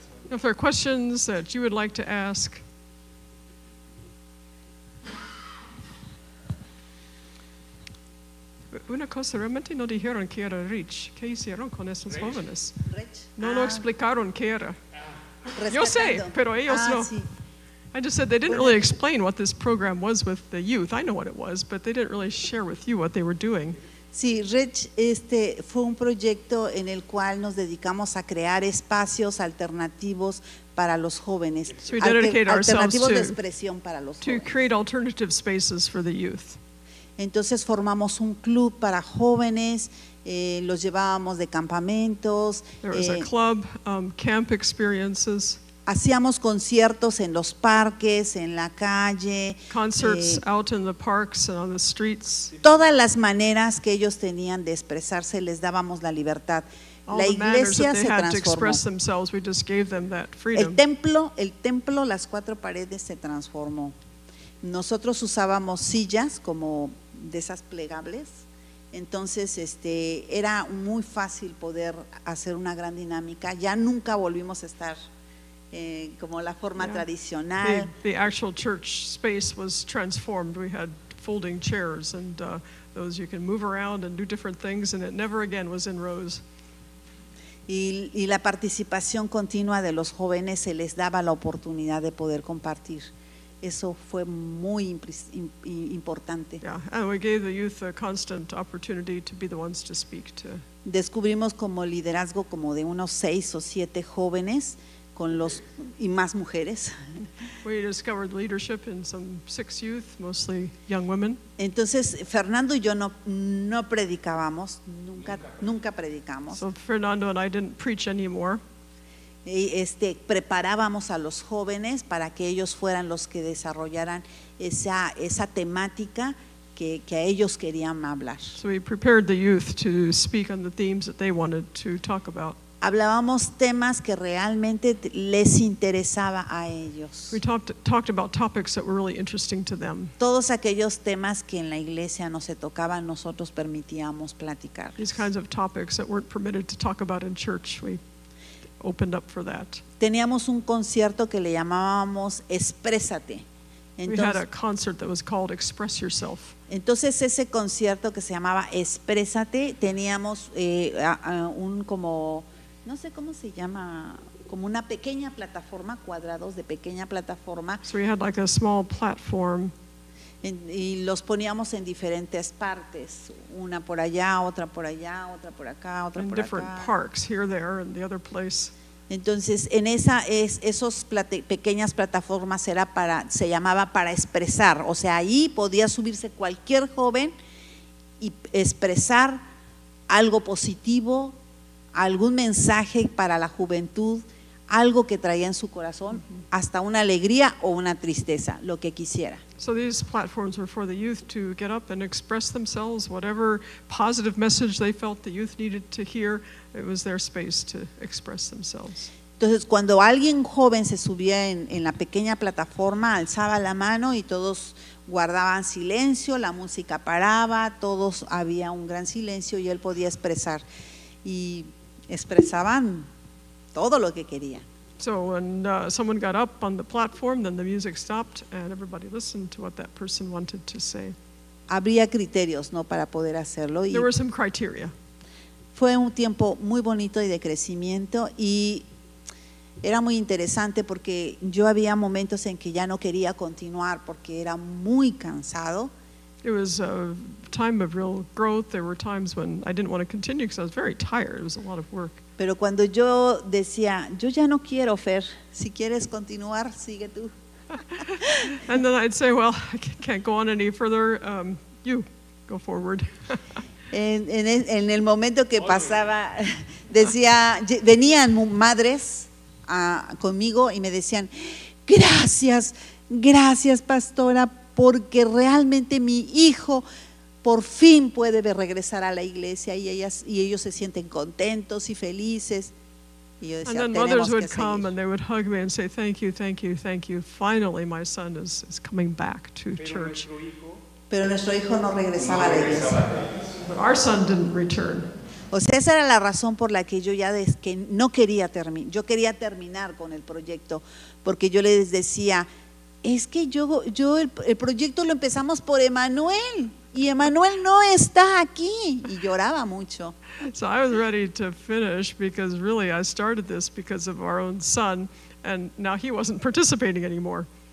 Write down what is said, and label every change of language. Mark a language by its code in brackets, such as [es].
[en] If there are questions that you would like to ask, [es] una cosa, realmente no dijeron que era rich. ¿Qué hicieron con esos rich. Jóvenes? Rich. No lo explicaron qué era. Respetando. Yo sé, pero ellos no. Sí. [en] I just said they didn't really explain what this program was with the youth. I know what it was, but they didn't really share with you what they were doing. [es] Sí, Rich, este fue un proyecto en el cual nos dedicamos a crear espacios alternativos para los jóvenes. [en] So we dedicate [es] alternativos [en] to, [es] de expresión para los [en] to [es] jóvenes. [en] Create alternative spaces for the youth. [es] Entonces formamos un club para jóvenes, los llevábamos de campamentos. [en] There was a club, camp experiences. [es] Hacíamos conciertos en los parques, en la calle. [en] Concerts out in the parks and on the streets. [es] Todas las maneras que ellos tenían de expresarse, les dábamos la libertad. [en] All [es] la iglesia [en] the manners that they [es] se transformó. [en] Had to express themselves, we just gave them that freedom. [es] El templo, las cuatro paredes se transformó. Nosotros usábamos sillas como de esas plegables, entonces era muy fácil poder hacer una gran dinámica. Ya nunca volvimos a estar como la forma tradicional. [en] The actual church space was transformed. We had folding chairs and those you can move around and do different things, and it never again was in rows. [es] Y la participación continua de los jóvenes se les daba la oportunidad de poder compartir. Eso fue muy importante. [en] Yeah, and we gave the youth a constant opportunity to be the ones to speak to. [es] Descubrimos como liderazgo como de unos 6 o 7 jóvenes con los y más mujeres. [en] We discovered leadership in some 6 youth, mostly young women. [es] Entonces Fernando y yo no predicábamos, nunca predicamos. [en] So Fernando and I didn't preach anymore. [es] Y preparábamos a los jóvenes para que ellos fueran los que desarrollaran esa temática que a ellos querían hablar. [en] So we prepared the youth to speak on the themes that they wanted to talk about. [es] Hablábamos temas que realmente les interesaba a ellos. [en] We talked about topics that were really interesting to them. [es] Todos aquellos temas que en la iglesia no se tocaban, nosotros permitíamos platicar. [en] These kinds of topics that weren't permitted to talk about in church, we opened up for that. [es] Teníamos un concierto que le llamábamos Exprésate. [en] Entonces, we had a concert that was called Express Yourself. [es] Entonces ese concierto que se llamaba Exprésate, teníamos un como no sé cómo se llama, como una pequeña plataforma, cuadrados de pequeña plataforma. [en] So we had like a small platform. [es] Y los poníamos en diferentes partes, una por allá, otra por allá, otra por acá, otra [en] in [es] por acá. [en] In different parks, here, there, and the other place. [es] Entonces, en esos pequeñas plataformas se llamaba para expresar. O sea, ahí podía subirse cualquier joven y expresar algo positivo, algún mensaje para la juventud, algo que traía en su corazón, hasta una alegría o una tristeza, lo que quisiera. [en] So these platforms were for the youth to get up and express themselves, whatever positive message they felt the youth needed to hear, it was their space to express themselves. [es] Entonces, cuando alguien joven se subía en la pequeña plataforma, alzaba la mano y todos guardaban silencio, la música paraba, todos había un gran silencio y él podía expresar. Y expresaban todo lo que quería. [en] So when someone got up on the platform, then the music stopped and everybody listened to what that person wanted to say. [es] Habría criterios, ¿no?, para poder hacerlo. [en] There were some criteria. [es] Fue un tiempo muy bonito y de crecimiento y era muy interesante porque yo había momentos en que ya no quería continuar porque era muy cansado. [en] It was a time of real growth. There were times when I didn't want to continue because I was very tired. It was a lot of work. [es] Pero cuando yo decía, yo ya no quiero, Fer, si quieres continuar, sigue tú. [en] And then I'd say, well, I can't go on any further. You go forward. [es] En el momento que pasaba, decía, venían madres conmigo y me decían, gracias, gracias, pastora, porque realmente mi hijo por fin puede regresar a la iglesia y ellos se sienten contentos y felices. Y yo decía, [en] and then mothers would come [es] seguir. [en] And they would hug me and say, thank you, thank you, thank you. Finally, my son is coming back to church. [es] Pero nuestro hijo no regresaba a la iglesia. [en] Our son didn't return. [es] O sea, esa era la razón por la que yo ya que no quería terminar. Yo quería terminar con el proyecto porque yo les decía, es que yo el proyecto lo empezamos por Emmanuel y Emmanuel no está aquí y lloraba mucho. [en] So I was ready to finish because really I started this because of our own son and now he wasn't participating anymore.